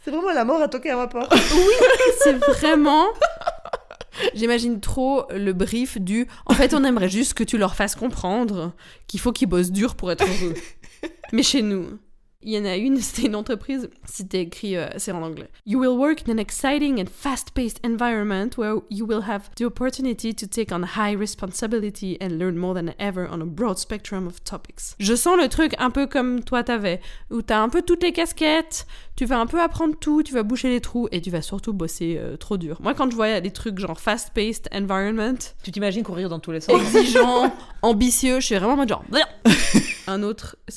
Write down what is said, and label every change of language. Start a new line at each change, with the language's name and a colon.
French: C'est vraiment la mort à toquer à ma porte. Oui, c'est vraiment... J'imagine trop le brief du... En fait, on aimerait juste que tu leur fasses comprendre qu'il faut qu'ils bossent dur pour être heureux. Mais chez nous, il y en a une, c'était une entreprise, c'était écrit, c'est en anglais.
English: You will work in an exciting and fast-paced environment where you will have the opportunity to take on high responsibility and learn more than ever on a broad spectrum of topics.
French: Je sens le truc un peu comme toi t'avais, où t'as un peu toutes les casquettes, tu vas un peu apprendre tout, tu vas boucher les trous et tu vas surtout bosser trop dur. Moi, quand je voyais des trucs genre
English: fast-paced environment...
French: Tu t'imagines courir dans tous les sens. Exigeant, ambitieux, je suis vraiment en mode genre... Un autre...